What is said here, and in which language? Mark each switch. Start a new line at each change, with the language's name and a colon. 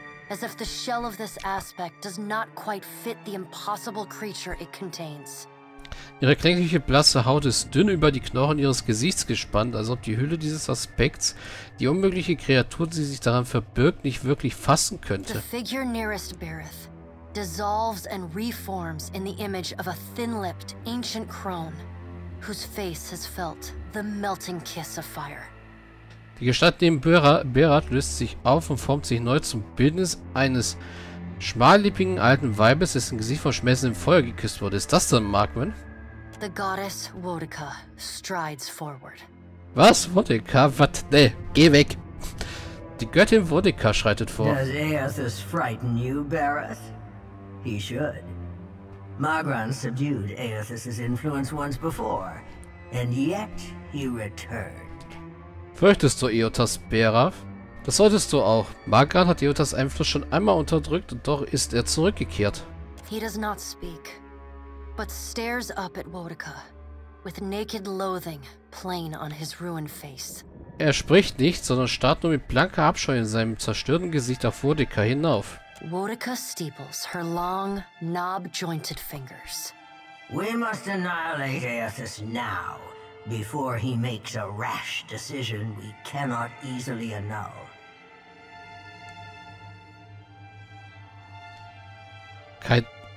English: As if the shell of this aspect does not quite fit the impossible creature it contains.
German: Ihre kränkliche, blasse Haut ist dünn über die Knochen ihres Gesichts gespannt, als ob die Hülle dieses Aspekts, die unmögliche Kreatur, die sich daran verbirgt, nicht wirklich fassen könnte.
English: The figure nearest Barath dissolves and reforms in the image of a thin-lipped, ancient crone, whose face has felt the melting kiss of fire.
German: Die Gestalt neben Barath löst sich auf und formt sich neu zum Bildnis eines schmallippigen alten Weibes, dessen Gesicht von schmelzendem Feuer geküsst wurde. Ist das dann Markman?
English: The goddess Wodica strides forward.
German: Was? Wodica? Wat? Ne, geh weg! Die Göttin Wodica schreitet vor.
English: Does Aethys frighten you, Barath? He should. Magran subdued Aethys's influence once before, and yet he returned.
German: Fürchtest du Iotas, Barath? Das solltest du auch. Magran hat Iotas Einfluss schon einmal unterdrückt und doch ist er zurückgekehrt.
English: He does not speak. But stares up at Wodica, with naked loathing plain on his ruined face.
German: Er spricht nicht, sondern starrt nur mit blanker Abscheu in seinem zerstörten Gesicht auf Wodica hinauf.
English: Wodica steeples her long, knob-jointed fingers. We must annihilate Aethys now, before he makes a rash decision we cannot easily annul.